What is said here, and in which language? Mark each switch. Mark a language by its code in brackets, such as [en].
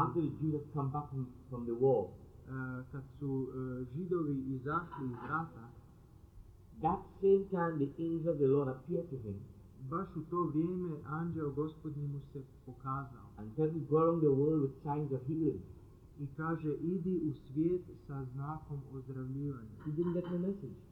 [en] after the Jews had come back from the war, [sr] kad su Židovi izašli iz rata, [en] that same time the angel of the Lord appeared to him. [sr] Baš u to vrijeme anđeo Gospodnji mu se pokazao. [en] And then go around the world with signs of healing. [sr] I kaže, idi u svijet sa znakom ozdravljivanja. [en] He didn't get the message.